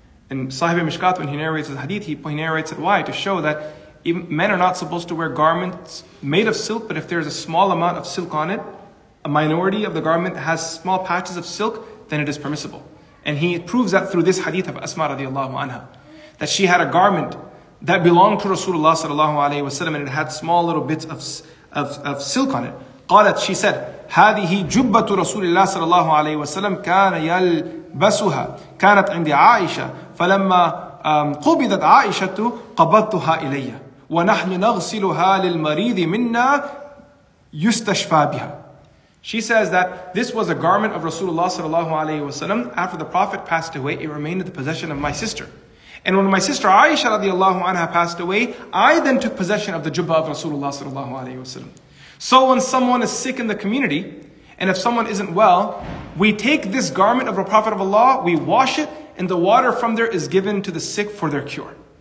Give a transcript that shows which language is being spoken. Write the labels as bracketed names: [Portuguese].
[English] And Sahib al-Mishkat, when he narrates his hadith, he narrates it, why? To show that even men are not supposed to wear garments made of silk, but if there's a small amount of silk on it, a minority of the garment has small patches of silk, then it is permissible. And he proves that through this hadith of Asma radiallahu anha, that she had a garment that belonged to Rasulullah sallallahu alayhi wa sallam, and it had small little bits of silk on it. [Arabic] قالت, [English] she said, [Arabic] هذه جبة رسول الله صلى الله عليه وسلم كان يلبسها كانت عند عائشة فلما قبضت عائشة قبضتها إلي ونحن نغسلها للمريض منا يستشفى بها. [English] She says that this was a garment of Rasulullah صلى الله عليه وسلم. After the Prophet passed away, it remained in the possession of my sister. And when my sister Aisha radiallahu anha passed away, I then took possession of the jubba of Rasulullah sallallahu alayhi wasallam. So when someone is sick in the community, and if someone isn't well, we take this garment of the Prophet of Allah, we wash it, and the water from there is given to the sick for their cure.